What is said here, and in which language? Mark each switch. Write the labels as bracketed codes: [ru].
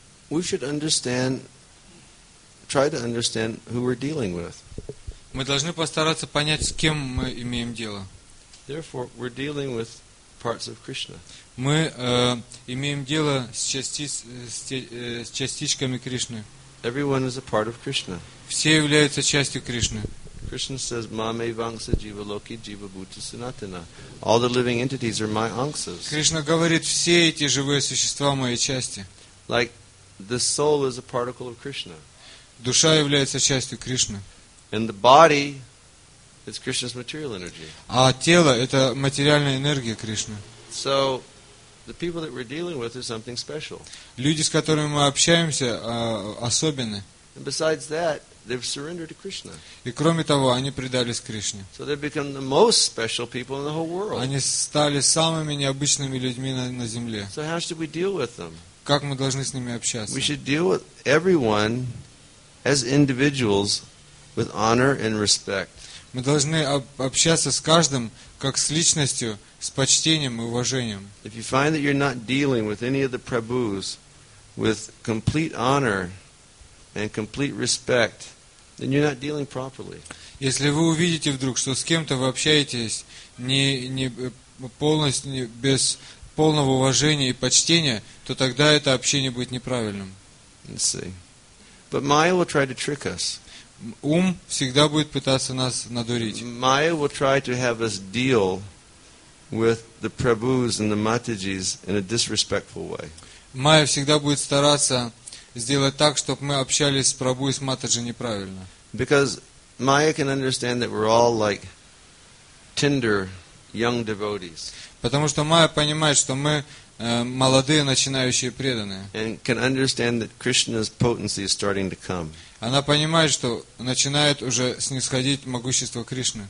[en] We should try to understand who we're dealing with. [ru] Мы должны постараться понять, с кем мы имеем дело. [en] Therefore, we're dealing with parts of Krishna. [ru] Мы имеем дело с частичками Кришны. [en] Everyone is a part of Krishna. [ru] Все являются частью Кришны. [en] Krishna says, [sa] "Mame vangsa jiva loki jiva bhuta sanatana." [en] All the living entities are my angsas. [ru] Кришна говорит, все эти живые существа мои части. [en] Like the soul is a particle of Krishna. [ru] Душа является частью Кришны. [en] And the body is Krishna's material energy. [ru] А тело это материальная энергия Кришны. [en] So the people that we're dealing with is something special. [ru] Люди, с которыми мы общаемся, особенны. [en] And besides that, they've surrendered to Krishna. [ru] И кроме того, они предались Кришне. [en] So they've become the most special people in the whole world. [ru] Они стали самыми необычными людьми на земле. [en] So how should we deal with them? [ru] Как мы должны с ними общаться? [en] We should deal with everyone as individuals with honor and respect. [ru] Мы должны общаться с каждым как с личностью, с почтением и уважением. [en] If you find that you're not dealing with any of the Prabhus with complete honor and complete respect, then you're not dealing properly. [ru] Если вы увидите вдруг, что с кем-то вы общаетесь не полностью, не без полного уважения и почтения, то тогда это общение будет неправильным. [en] Let's see. But Maya will try to trick us. [ru] Ум всегда будет пытаться нас надурить. [en] Maya will try to have us deal with the Prabhus and the Matajis in a disrespectful way. [ru] Maya всегда будет стараться сделать так, чтобы мы общались с Прабху и с Матаджи неправильно. [en] Because Maya can understand that we're all like tender young devotees. [ru] Потому что Майя понимает, что мы молодые, начинающие преданные. [en] And can understand that Krishna's potency is starting to come. [ru] Она понимает, что начинает уже снисходить могущество Кришны.